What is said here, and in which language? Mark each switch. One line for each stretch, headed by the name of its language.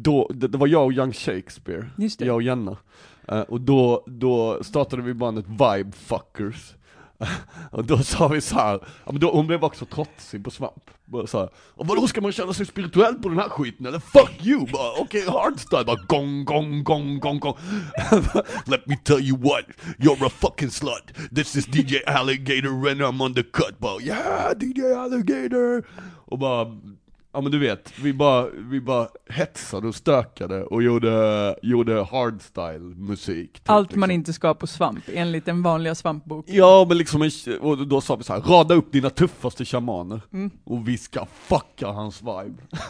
Swedish: Det var jag och Young Shakespeare. Just det. Jag och Jenna. Och då startade vi bandet Vibe Fuckers. Och då sa vi så här, ja, men då, hon blev också trotsig på svamp. Så här, och vadå, ska man känna sig spirituell på den här skiten? Eller
English: fuck you,
Swedish: okej, hardstyle. Bara gong, gong, gong, gong, gong.
English: Let me tell you what, you're a fucking slut. This is DJ Alligator and I'm on the cut.
Swedish: Bara, yeah, DJ Alligator. Och bara, ja, men du vet, vi bara hetsade och stökade och gjorde hardstyle-musik. Typ, allt man liksom inte ska på svamp, enligt den vanliga svampboken. Ja, men liksom, och då sa vi så här, rada upp dina tuffaste shamaner och vi ska fucka hans vibe.